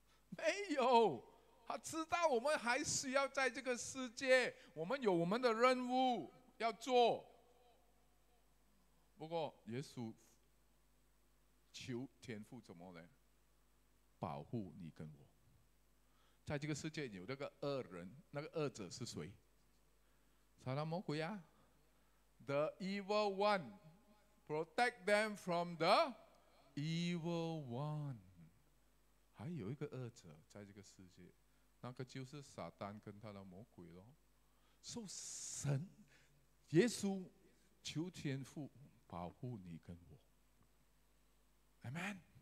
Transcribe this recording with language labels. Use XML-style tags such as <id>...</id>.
<zh>没有。他知道我们还需要在这个世界，我们有我们的任务要做。不过耶稣求天父怎么呢？保护你跟我。在这个世界有那个恶人，那个恶者是谁？撒旦魔鬼啊。</zh> <en>The evil one. Protect them from the evil one.</en> <zh>还有一个恶者在这个世界，那个就是撒旦跟他的魔鬼咯。所以神耶稣求天父保护你跟我。 Amen。</zh>